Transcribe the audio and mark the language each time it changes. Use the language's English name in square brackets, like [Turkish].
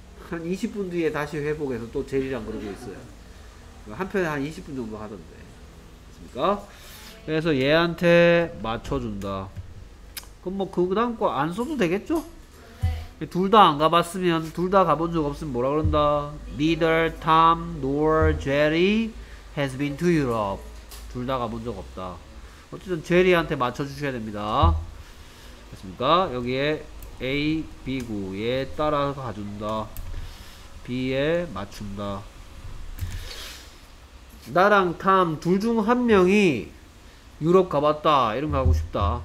[Korean] 한 20분 뒤에 다시 회복해서 또 젤이랑 그러고 있어요. 한편에 한 20분 정도 하던데. 됐습니까? 그래서 얘한테 맞춰준다. 그럼 뭐 그 다음 거 안 써도 되겠죠? 둘 다 안 가봤으면, 둘 다 가본 적 없으면 뭐라 그런다? [English] Neither Tom nor Jerry has been to Europe. [Korean] 둘 다 가본 적 없다. 어쨌든 제리한테 맞춰주셔야 됩니다. 됐습니까? 여기에 A, B구에 따라 가준다. B에 맞춘다. 나랑 Tom 둘 중 한 명이 유럽 가봤다 이런 거 하고 싶다.